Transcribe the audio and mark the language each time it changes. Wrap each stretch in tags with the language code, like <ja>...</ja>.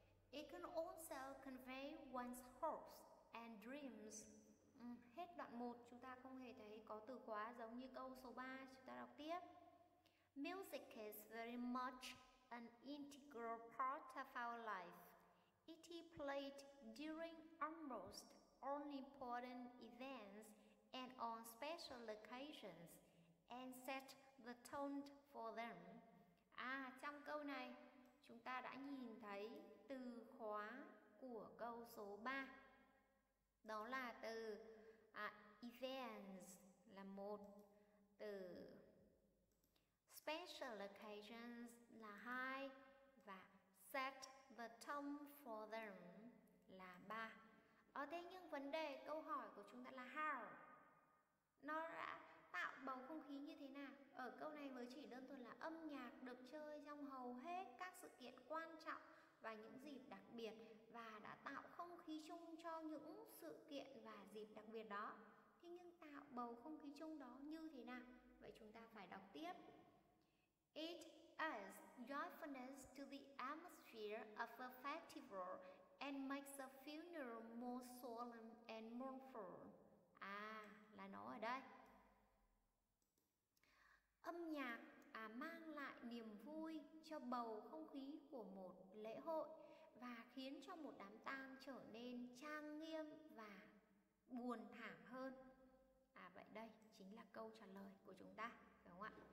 <en>It can also convey one's hopes and dreams.</en> <vi>Hết đoạn 1 chúng ta không hề thấy có từ khóa giống như câu số 3. Chúng ta đọc tiếp.</vi> <en>Music is very much an integral part of our life. It is played during almost all important events and on special occasions and set the tone for them.</en> <vi>Trong câu này chúng ta đã nhìn thấy từ khóa của câu số 3. Đó là từ events là một, từ special occasions là hai và</vi> <en>set the tone for them</en> <vi>là ba. Thế nhưng vấn đề câu hỏi của chúng ta là how? Nó đã tạo bầu không khí như thế nào? Ở câu này mới chỉ đơn thuần là âm nhạc được chơi trong hầu hết các sự kiện quan trọng và những dịp đặc biệt và đã tạo không khí chung cho những sự kiện và dịp đặc biệt đó. Thế nhưng tạo bầu không khí chung đó như thế nào? Vậy chúng ta phải đọc tiếp.</vi> <en>It adds joyfulness to the atmosphere of a festival and makes a funeral more solemn and mournful.</en> <vi>Là nó ở đây. Âm nhạc mang lại niềm vui cho bầu không khí của một lễ hội và khiến cho một đám tang trở nên trang nghiêm và buồn thảm hơn. Vậy đây chính là câu trả lời của chúng ta, phải không ạ?</vi>